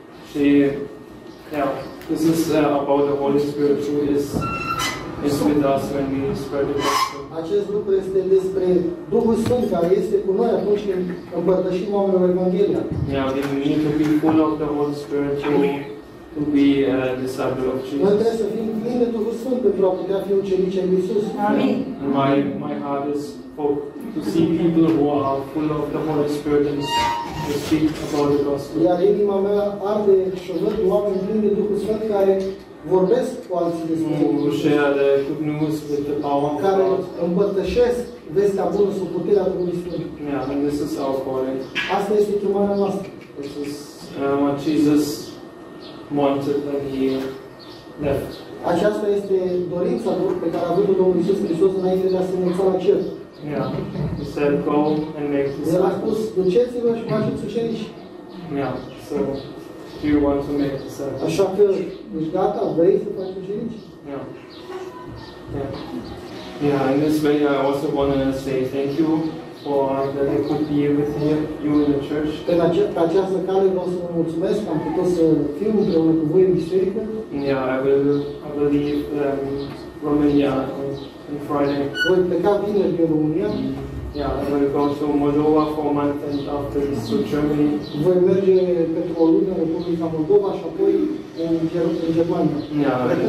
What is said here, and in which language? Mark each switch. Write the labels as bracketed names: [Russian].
[English] Și, yeah, this is about the Holy Spirit who is with us when we spread the gospel. [Romanian] Acest lucru este despre Duhul Sfânt care este cu noi atunci când împărtășim oamenilor Evanghelia. [English] Yeah, we need to be full of the Holy Spirit to be a disciple of Jesus. [Romanian] Noi trebuie să fim plini de Duhul Sfânt pentru a putea fi ucenici ai lui Iisus. Amin. [English] My heart is full. to see people who are full of the Holy Spirit and to speak about the gospel. [Romanian] Iar inima mea arde și o văd oameni plini de Duhul Sfânt care vorbesc cu alții despre Hristos, care împărtășesc vestea bună sau puterea Duhului Sfânt. [English] Yeah, and this is our calling. [Romanian] Asta este chemarea noastră. [English] This is what Jesus wanted when he left. [Romanian] Aceasta este dorința pe care a avut-o Domnul Iisus Hristos înainte de a se înălța la cer. [English] Yeah, he said, go and make disciples. [Romanian] El a spus, duceți-vă și faceți ucenici. [English] Yeah, so, do you want to make disciples? [Romanian] Așa că, ești gata, vrei să faci ucenici? [English] Yeah. Yeah. Yeah, in this way I also want to say thank you for that I could be with you in the church. [Romanian] Pe această cale vreau să vă mulțumesc că am putut să fiu împreună cu voi în biserică. [English] Yeah, I will leave Romania on Friday. [Romanian] Voi pleca vineri din România. [English] Yeah, I will go to Moldova for a month and after this to Germany. [Romanian] Voi merge pentru o lună în Republica Moldova și apoi în Germania.